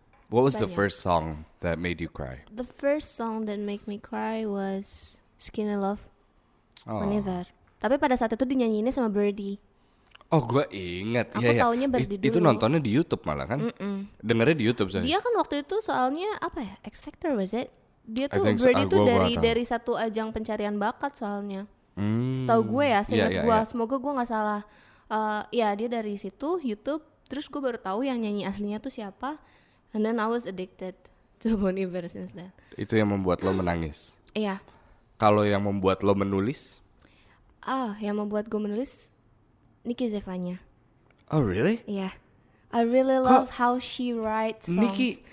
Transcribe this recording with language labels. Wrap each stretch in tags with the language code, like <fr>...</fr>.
<en>What was the first song that made you cry? The first song that make me cry was Skinny Love, Bon Iver.</en> <id>Tapi pada saat itu dinyanyiinnya sama Birdie. Oh, gue ingat. Aku taunya Birdie dulu. Itu nontonnya di YouTube malah kan? Dengarnya di YouTube sih. Dia kan waktu itu soalnya apa ya?</id> <en>X Factor was it?</en> <id>Dia tuh Birdie tuh dari satu ajang pencarian bakat soalnya. Setahu gue ya, seingat gue. Semoga gue nggak salah. Ya dia dari situ YouTube. Terus gue baru tahu yang nyanyi aslinya tuh siapa.</id> <en>And then I was addicted to Bon Iver since then.</en> <id>Itu yang membuat lo menangis. Iya. Kalau yang membuat lo menulis? Ah, yang membuat gue menulis Nicki Zephania.</id> <en>Oh really? Yeah, I really love how she writes songs.</en>